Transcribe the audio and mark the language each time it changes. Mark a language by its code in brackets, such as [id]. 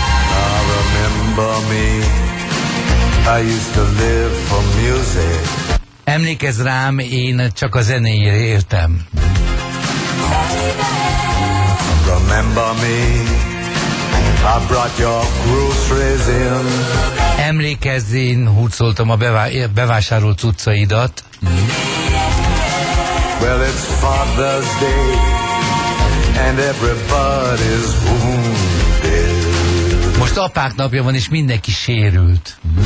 [en] I remember me. I used to live for music. [hu] Emlékezz rám, én csak a zenéjére értem. [en] Remember me. I brought your groceries in. [hu] Emlékezz, én hurcoltam a bevásárolt cuccaidat. [en] Well, it's Father's Day, and everybody's wounded. [hu] Most apák napja van, és mindenki sérült.